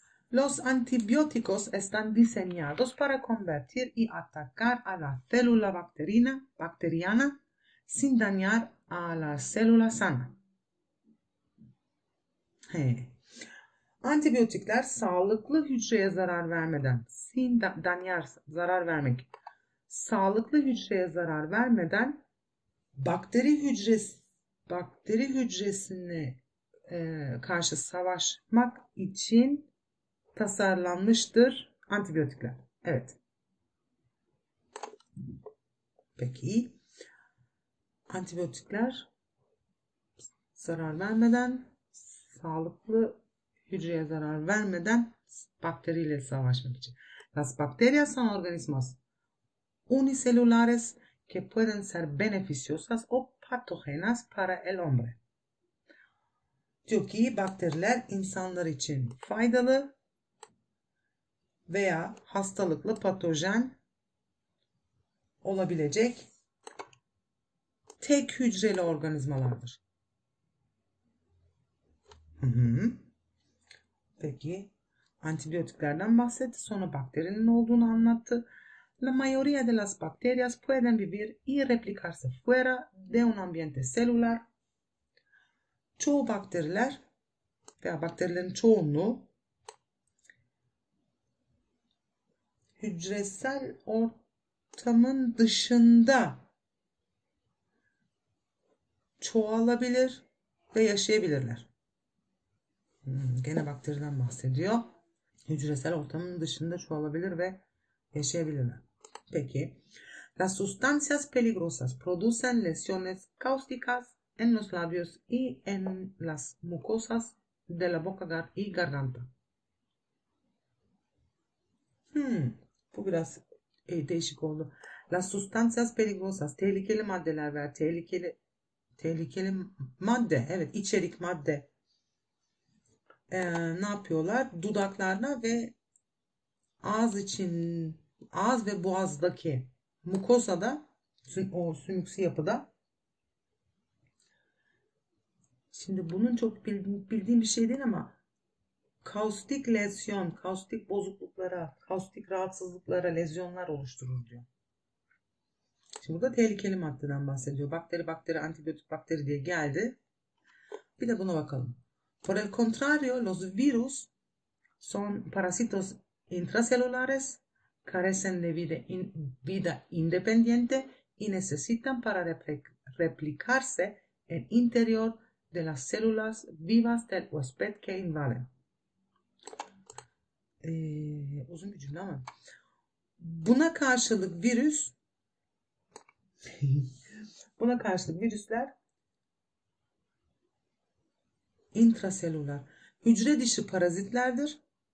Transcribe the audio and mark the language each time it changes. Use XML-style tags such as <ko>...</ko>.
<es>Los antibióticos están diseñados para combatir y atacar a la célula bacteriana sin dañar a la célula sana.</es> <tr>Antibiyotikler sağlıklı hücreye zarar vermeden, sağlıklı hücreye zarar vermeden bakteri hücresine karşı savaşmak için tasarlanmıştır antibiyotikler. Evet. Peki. Antibiyotikler zarar vermeden, sağlıklı hücreye zarar vermeden bakteriyle savaşmak için.</tr> <es>Las bacterias son organismos unicelulares que pueden ser beneficiosas o patógenas para el hombre.</es> <tr>Diyor ki bakteriler insanlar için faydalı veya hastalıklı patojen olabilecek tek hücreli organizmalardır. Peki antibiyotiklerden bahsetti, sonra bakterinin olduğunu anlattı.</tr> <es>La mayoría de las bacterias pueden vivir y replicarse fuera de un ambiente celular.</es> <tr>Çoğu bakteriler veya bakterilerin çoğunluğu hücresel ortamın dışında çoğalabilir ve yaşayabilirler. Gene bakteriden bahsediyor. Hücresel ortamın dışında çoğalabilir ve yaşayabilirler. Peki.</tr> <es>Las sustancias peligrosas producen lesiones cáusticas en los labios y en las mucosas de la boca y garganta.</es> <tr>Bu biraz değişik oldu.</tr> <es>Las sustancias peligrosas,</es> <tr>tehlikeli maddeler veya tehlikeli madde, evet içerik madde ne yapıyorlar? Dudaklarına ve ağız ve boğazdaki mukosada, o sümüksü yapıda. Şimdi bunun çok bildiğim bir şey değil ama kaustik lezyon, kaustik bozukluklara, kaustik rahatsızlıklara lezyonlar oluşturur diyor. Şimdi burada tehlikeli maddeden bahsediyor. Bakteri, antibiyotik bakteri diye geldi. Bir de buna bakalım.</tr> <es>Por el contrario, los virus son parásitos intracelulares, carecen de vida independiente y necesitan para replicarse en interior de las células vivas del huésped que invaden.</es> <tr>Uzun bir cümle ama buna karşılık virüs buna karşılık virüsler intraselular, hücre dışı parazitlerdir.</tr>